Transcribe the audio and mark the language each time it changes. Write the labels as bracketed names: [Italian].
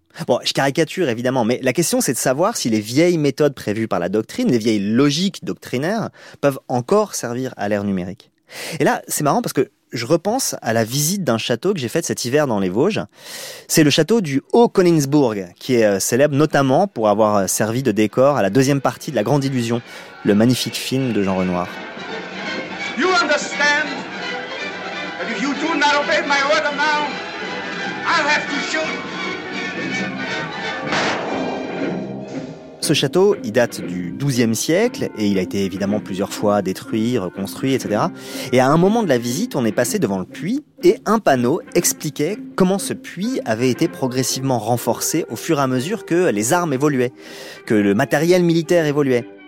[French] Bon, je caricature évidemment, mais la question c'est de savoir si les vieilles méthodes prévues par la doctrine, les vieilles logiques doctrinaires, peuvent encore servir à l'ère numérique. Et là, c'est marrant parce que je repense à la visite d'un château que j'ai fait cet hiver dans les Vosges. C'est le château du Haut-Koningsburg, qui est célèbre notamment pour avoir servi de décor à la deuxième partie de La Grande Illusion, le magnifique film de Jean Renoir. [English] You understand that if you do not obey my order now, I'll have to shoot. [French] Ce château, il date du XIIe siècle et il a été évidemment plusieurs fois détruit, reconstruit, etc. Et à un moment de la visite, on est passé devant le puits et un panneau expliquait comment ce puits avait été progressivement renforcé au fur et à mesure que les armes évoluaient, que le matériel militaire évoluait.